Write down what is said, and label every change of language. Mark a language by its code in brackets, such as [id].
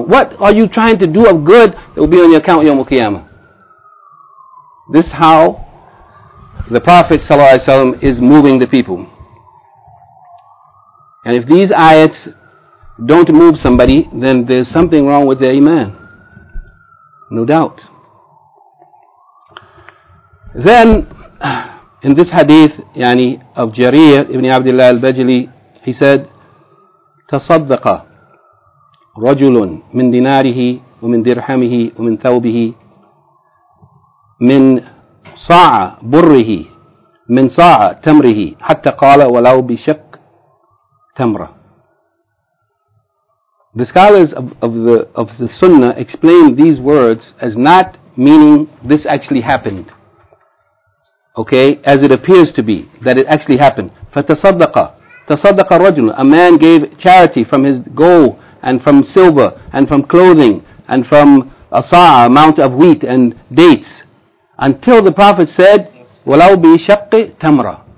[en] What are you trying to do of good that will be on your account yawmul qiyamah? This is how the Prophet ﷺ is moving the people. And if these ayats don't move somebody, then there's something wrong with their iman. No doubt. Then, in this hadith, yani of Jarir ibn Abdullah al-Bajli, he said, [ar] تَصَدَّقَ رَجُلٌ مِنْ دِنَارِهِ وَمِنْ دِرْحَمِهِ وَمِنْ ثَوْبِهِ مِنْ صَاعَ بُرِّهِ مِنْ صَاعَ تَمْرِهِ حَتَّى قَالَ وَلَوْ بِشَكْ تَمْرَ. [en] The scholars of the Sunnah explain these words as not meaning this actually happened. Okay, as it appears to be, that it actually happened. [ar] فَتَصَدَّقَ تَصَدَّقَ الرَّجُلُ. [en] A man gave charity from his gold and from silver and from clothing and from a sa'a, amount of wheat and dates, until the Prophet said, وَلَوْ بِشَقِّ تَمْرَ.